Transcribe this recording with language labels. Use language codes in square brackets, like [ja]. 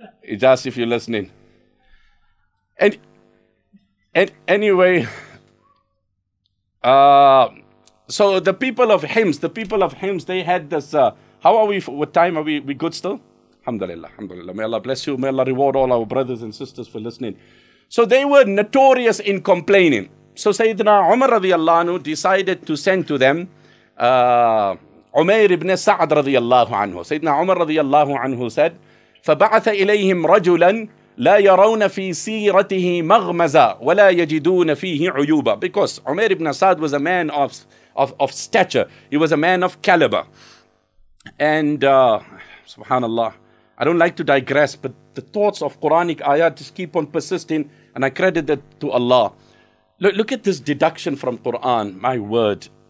[en] Ijaz, if you're listening. And anyway, so the people of Hims, they had this, how are we with time? Are we good still? Alhamdulillah. May Allah bless you. May Allah reward all our brothers and sisters for listening. So they were notorious in complaining. So Sayyidina Umar radiallahu anhu decided to send to them Umair ibn Sa'ad radiallahu anhu. Sayyidina Umar radiallahu anhu said, [ar] فَبَعَثَ إِلَيْهِمْ رَجُلًا لَا يَرَوْنَ فِي سِيرَتِهِ مَغْمَزًا وَلَا يَجِدُونَ فِيهِ عُيُوبًا. [en] Because Umair ibn Sa'ad was a man of stature. He was a man of caliber. And subhanallah, I don't like to digress, but the thoughts of Quranic ayat just keep on persisting, and I credit that to Allah. Look at this deduction from Quran, my word.